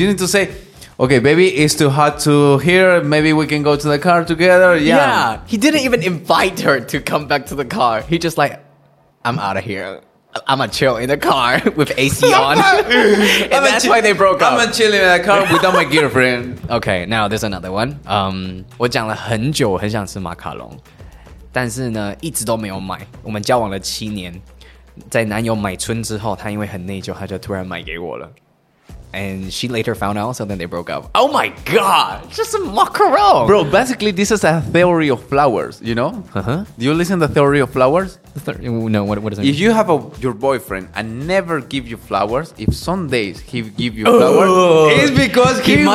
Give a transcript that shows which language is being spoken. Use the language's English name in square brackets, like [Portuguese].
[English] You need to say, okay, baby, it's too hot to here. Maybe we can go to the car together. Yeah. He didn't even invite her to come back to the car. He just like, I'm out of here. I'm a chill in the car with AC on. And that's why they broke up. I'm a chill in the car without my girlfriend. Okay, now there's another one. [Chinese] 我讲了很久很想吃马卡龙，但是呢一直都没有买。我们交往了七年，在男友买春之后，他因为很内疚，他就突然买给我了。 [English] And she later found out, so then they broke up. Oh my god! Just a macaron! Bro, basically, this is a theory of flowers, you know? Uh-huh. Do you listen to the theory of flowers? No, what does it mean? If you have your boyfriend and never give you flowers, if some days he give you flowers, it's because he